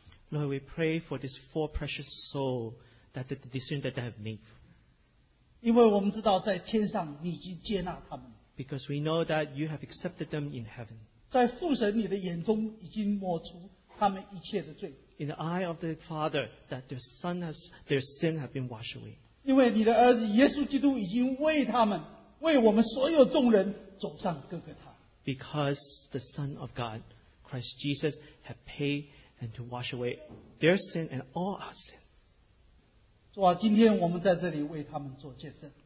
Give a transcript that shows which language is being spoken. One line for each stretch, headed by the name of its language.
English: Lord, we pray for these four precious souls that the decision that they have made.
Chinese: 因为我们知道在天上你已经接纳他们,
English: because we know that you have accepted them in heaven.
Chinese: 在父神你的眼中已经抹除他们一切的罪,
English: in the eye of the Father, that their son has, their sin has been washed away.
Chinese: 因为你的儿子耶稣基督已经为他们, 为我们所有众人走上哥哥他,
English: because the Son of God, Christ Jesus, has paid and to wash away their sin and all our sin.
Chinese: 主啊, 今天我们在这里为他们做见证。